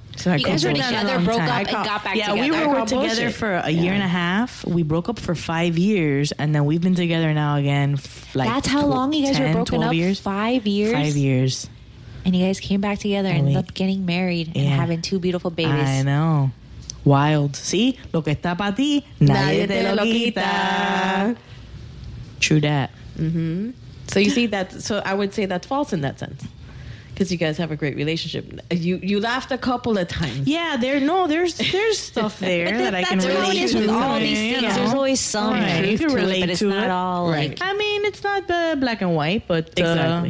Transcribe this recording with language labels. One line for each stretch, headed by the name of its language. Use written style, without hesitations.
English: So you guys were together, broke up, and got back together. Yeah, we were together for a year and a half. We broke up for 5 years, and then we've been together now again. Like, that's how long you guys were broken up? 5 years? 5 years. And you guys came back together and ended up getting married and having two beautiful babies. I know. Wild. See?
Spanish: Lo que está para ti, nadie te lo quita.
English: True that. Mm-hmm. So you see that? So I would say that's false in that sense. Because you guys have a great relationship. You laughed a couple of times. Yeah, there's stuff there that I can relate to. With all these things. You know? There's always some truth to it, but it's not all like... I mean, it's not the black and white, but, exactly.